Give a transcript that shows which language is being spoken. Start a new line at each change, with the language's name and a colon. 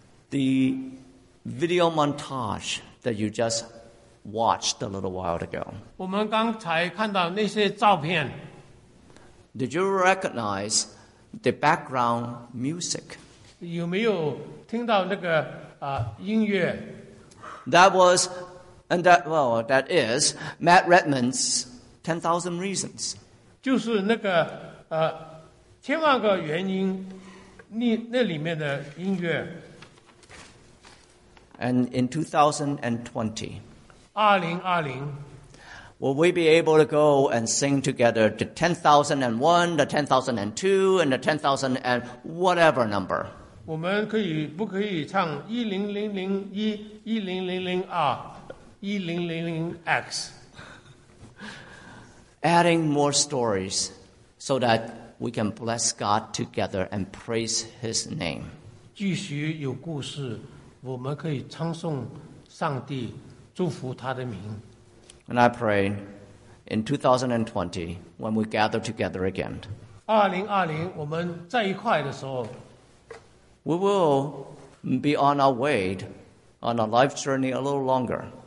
English: The video montage that you just watched a little while ago.
Chinese: 我们刚才看到那些照片。
English: Did you recognize the background music?
Chinese: 有没有听到那个音乐?
English: That is Matt Redman's 10,000 Reasons.
Chinese: 就是那个千万个原因那里面的音乐。
English: And in 2020,
Chinese: 2020,
English: will we be able to go and sing together the 10,001, the 10,002, and the 10,000 and whatever number?
Chinese: 我们可以不可以唱10001, 10002, 1000X?
English: Adding more stories so that we can bless God together and praise His name.
Chinese: 继续有故事，我们可以称颂上帝。祝福他的名。
English: And I pray in 2020 when we gather together again,
Chinese: 2020我们在一块的时候,
English: we will be on our way on a life journey a little longer.